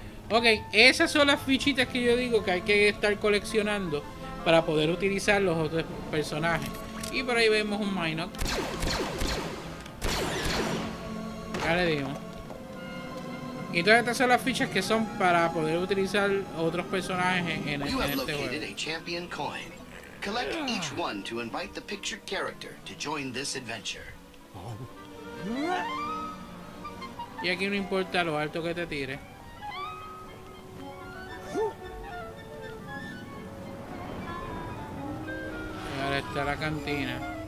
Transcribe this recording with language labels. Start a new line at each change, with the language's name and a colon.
Spanish: Ok, esas son las fichitas que yo digo que hay que estar coleccionando para poder utilizar los otros personajes. Y por ahí vemos un Minoc. Ya le dimos. Y todas estas son las fichas que son para poder utilizar otros personajes en este juego.
English: A champion coin. Collect each one to invite the pictured character to join this adventure.
Spanish: Y aquí no importa lo alto que te tire. Y ahora está la cantina.